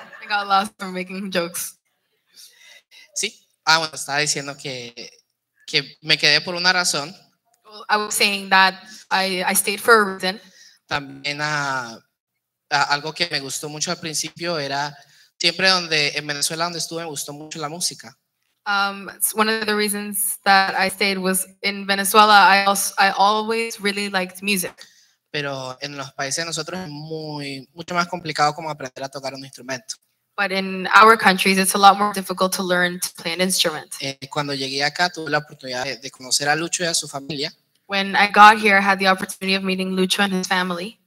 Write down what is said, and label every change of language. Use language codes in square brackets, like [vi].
[en] I got lost from making jokes. [es] Sí. Bueno, estaba diciendo que me quedé por una razón. [en] Well, I was saying that I stayed for a reason. [es] También algo que me gustó mucho al principio era siempre donde en Venezuela donde estuve me gustó mucho la música. [en] One of the reasons that I stayed was in Venezuela. I always really liked music. [es] Pero en los países de nosotros es mucho más complicado como aprender a tocar un instrumento. [en] But in our countries it's a lot more difficult to learn to play an instrument. [es] Cuando llegué acá tuve la oportunidad de conocer a Lucho y a su familia. [en] When I got here I had the opportunity of meeting Lucho and his family.